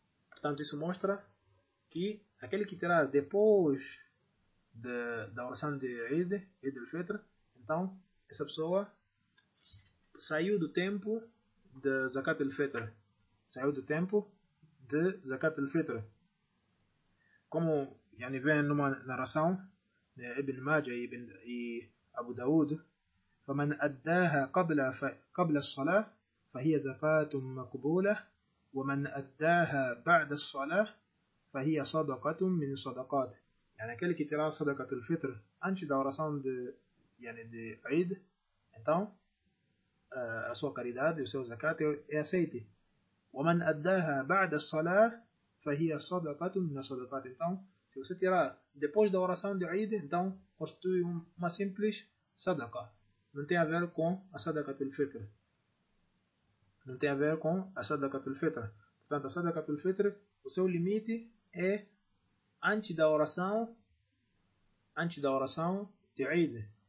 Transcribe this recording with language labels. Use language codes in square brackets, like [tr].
[pt] Portanto, isso mostra que aquele que tirar depois da oração de Eid, Eid al-Fitr, então, essa pessoa saiu do tempo de zakat al-Fitr. Saiu do tempo de zakat al-Fitr. Como yani, vem numa narração de Ibn Majah e Abu Dawud, [ar] فمن أداها قبل الصلاة فهي زكاة مقبولة ومن أداها بعد الصلاة فهي صدقة من صدقات. [pt] يعني aquele que tirar صدقة الفطر antes da oração de, yani, de Eid, então a sua caridade e o seu zakat é aceite. [ar] ومن أداها بعد الصلاة فهي صدقة من صدقات. [pt] Então, se você tirar depois da oração de Eid, então constitui uma simples sadaqa. Não tem a ver com a sadaqa al-fitr. Não tem a ver com a sadaqa al-fitr. Portanto, a sadaqa al-fitr, o seu limite é antes da oração de Eid.